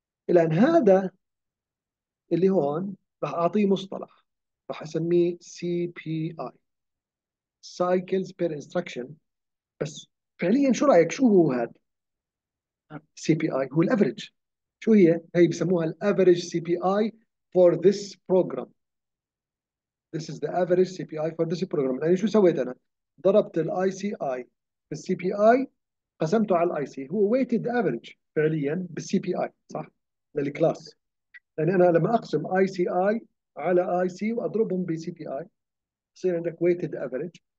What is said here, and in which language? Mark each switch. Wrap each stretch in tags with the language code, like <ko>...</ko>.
<ar>الان هذا اللي هون راح اعطيه مصطلح راح اسميه سي بي اي سايكلز بير انستركشن، بس فعليا شو رايك شو هو هذا سي بي اي؟ هو الافريج. شو هي؟ هي بسموها</ar> <en>الافريج C P I for this program. This is the average CPI for this program.</en> <ar>يعني شو سويت انا؟ ضربت الاي سي اي بالسي بي اي قسمته على الاي سي، هو ويتد افريج فعليا بالسي بي اي صح؟ للكلاس. يعني انا لما اقسم اي سي اي على اي سي واضربهم بسي بي اي يصير عندك ويتد افريج.</ar>